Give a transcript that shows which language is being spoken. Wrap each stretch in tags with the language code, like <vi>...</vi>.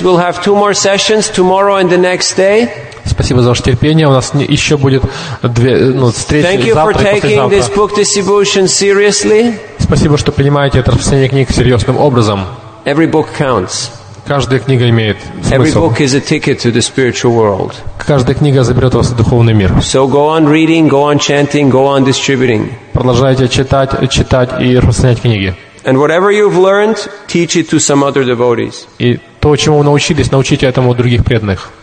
<en>We'll have two more sessions tomorrow and the next day.</en> <ru>Спасибо за ваше терпение. У нас еще будет две встречи.</ru> <en>Thank you for taking this book distribution seriously.</en> <ru>Спасибо, что принимаете это распространение книг серьезным образом.</ru> <en>Every book counts.</en> <ru>Каждая книга имеет смысл.</ru> <en>Every book is a ticket to the spiritual world.</en> <ru>Каждая книга заберет вас в духовный мир.</ru> <en>So go on reading, go on chanting, go on distributing.</en> <ru>Продолжайте читать и распространять книги.</ru> <en>And whatever you've learned, teach it to some other devotees.</en> <ru>И то, чему вы научились, научите этому других преданных.</ru>